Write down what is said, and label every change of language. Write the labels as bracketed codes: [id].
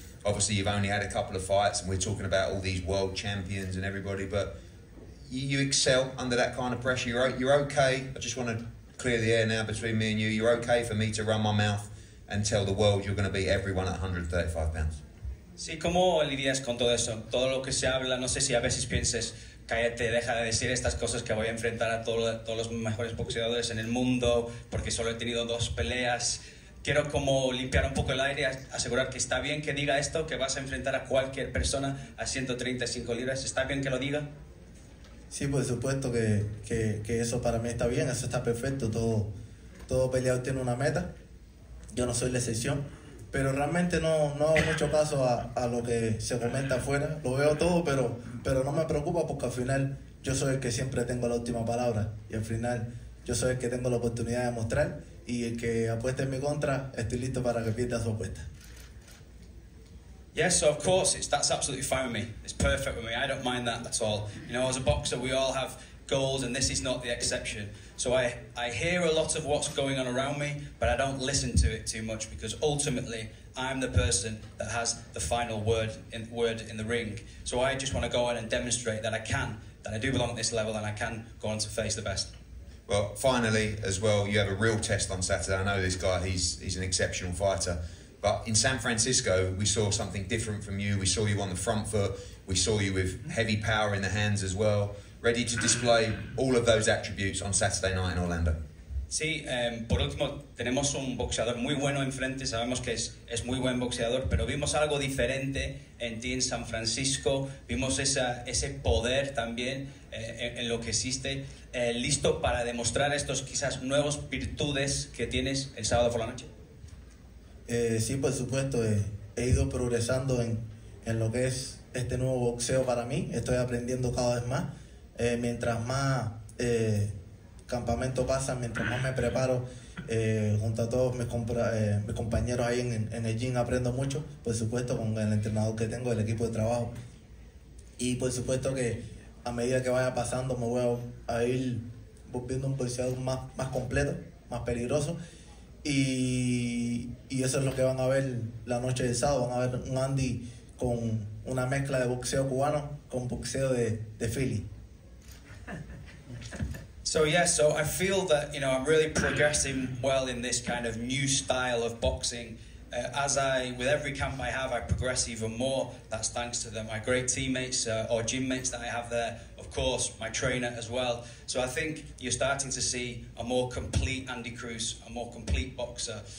[en] Obviously, you've only had a couple of fights, and we're talking about all these world champions and everybody, but you excel under that kind of pressure. You're okay. I just want to clear the air now between me and you. You're okay for me to run my mouth and tell the world you're going to beat everyone at 135 pounds. [es] Sí, ¿cómo lidias con todo eso? Todo lo que se habla, no sé si a veces piensas, cállate, deja de decir estas cosas que voy a enfrentar a todos los mejores boxeadores en el mundo, porque solo he tenido dos peleas. Quiero como limpiar un poco el aire, asegurar que está bien que diga esto, que vas a enfrentar a cualquier persona a 135 libras. ¿Está bien que lo diga? Sí, por supuesto que eso para mí está bien, eso está perfecto. Todo peleador tiene una meta. Yo no soy la excepción. pero realmente no, no hago mucho caso a lo que se comenta afuera. Lo veo todo, pero no me preocupa porque al final yo soy el que siempre tengo la última palabra. Y al final yo soy el que tengo la oportunidad de mostrar. Y el que apueste en mi contra, estoy listo para que pierda su apuesta. [en] Yes, so of course, that's absolutely fine with me. It's perfect with me. I don't mind that at all. You know, as a boxer, we all have goals, and this is not the exception. So I hear a lot of what's going on around me, but I don't listen to it too much because ultimately, I'm the person that has the final word in the ring. So I just want to go in and demonstrate that I can, that I do belong at this level, and I can go on to face the best. Well, finally, as well, you have a real test on Saturday. I know this guy, he's an exceptional fighter. But in San Francisco, we saw something different from you. We saw you on the front foot. We saw you with heavy power in the hands as well, ready to display all of those attributes on Saturday night in Orlando. [es] Sí, por último, tenemos un boxeador muy bueno enfrente. Sabemos que es muy buen boxeador, pero vimos algo diferente en ti en San Francisco. Vimos ese poder también en lo que hiciste. ¿Listo para demostrar estos quizás nuevos virtudes que tienes el sábado por la noche? Sí, por supuesto. He ido progresando en lo que es este nuevo boxeo para mí. Estoy aprendiendo cada vez más. Mientras más campamento pasa, mientras más me preparo, junto a todos mis compañeros ahí en el gym, aprendo mucho, por supuesto, con el entrenador que tengo, el equipo de trabajo. Y por supuesto que a medida que vaya pasando, me voy a ir volviendo un boxeador más completo, más peligroso. Y eso es lo que van a ver la noche del sábado. Van a ver un Andy con una mezcla de boxeo cubano con boxeo de Philly. [en] So yeah, so I feel that, you know, I'm really progressing well in this kind of new style of boxing. With every camp I have, I progress even more. That's thanks to my great teammates or gym mates that I have there. Of course, my trainer as well. So I think you're starting to see a more complete Andy Cruz, a more complete boxer.